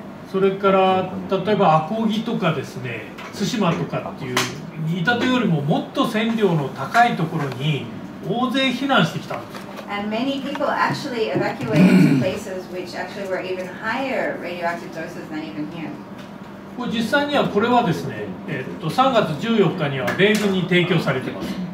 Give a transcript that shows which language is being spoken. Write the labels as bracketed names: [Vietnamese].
[Japanese] それから例えば阿公木とかですね、対馬とかっていう飯舘よりももっと線量の高いところに大勢避難してきたんです。 [English] And many people actually evacuated to places which actually were even higher radioactive doses than even here. [Japanese] 実際にはこれはですね、3月14日には米軍に提供されています。